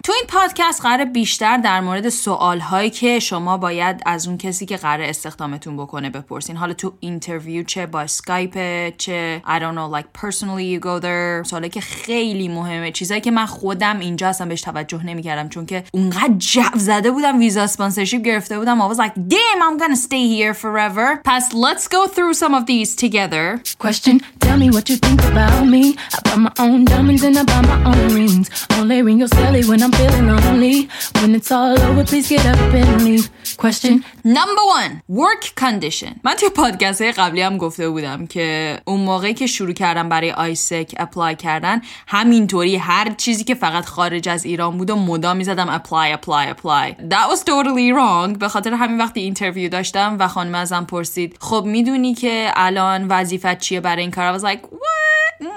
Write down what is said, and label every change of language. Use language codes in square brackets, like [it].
[fa] تو این پادکست قراره بیشتر در مورد سوالهایی که شما باید از اون کسی که قراره استخدامتون بکنه بپرسین، حالا تو اینترویو چه با اسکایپ چه [en] I don't know like personally you go there، [fa] سوالی که خیلی مهمه، چیزایی که من خودم اینجا اصلا بهش توجه نمی‌کردم چون که اونقدر جو زده بودم ویزا اسپانسرشیپ گرفته بودم [en] I was like damn I'm gonna stay here forever. پس let's go through some of these together. Question, tell me what you think about me. I buy my own diamonds and I buy my own rings. Only ring your cell when I'm feeling lonely. When it's all over please get up and leave. Question number 1, work condition. [fa] من توی پادکست قبلی هم گفته بودم که اون موقعی که شروع کردم برای آیسک اپلای کردن همینطوری هر چیزی که فقط خارج از ایران بود و مدام می‌زدم apply. [en] That was totally wrong. [fa] به خاطر همین وقتی اینترویو داشتم و خانم ازم پرسید خب میدونی که الان وظیفت چیه برای این کار؟ [en] I was like what?